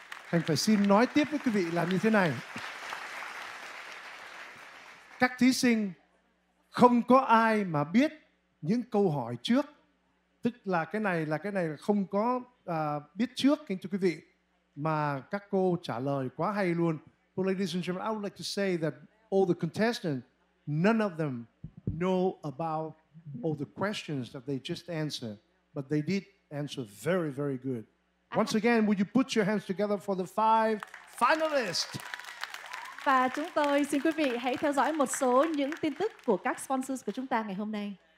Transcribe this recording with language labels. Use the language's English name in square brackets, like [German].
[Vietnamese] Thành phải xin nói tiếp với quý vị là như thế này. Các thí sinh, không có ai mà biết những câu hỏi trước. Tức là cái này không có biết trước, kính thưa quý vị. Mà các cô trả lời quá hay luôn. [English] But ladies and gentlemen, I would like to say that all the contestants, none of them know about all the questions that they just answered. But they did answer very, very good. Once again, would you put your hands together for the 5 finalists? [Vietnamese] Và chúng tôi xin quý vị hãy theo dõi một số những tin tức của các sponsors của chúng ta ngày hôm nay.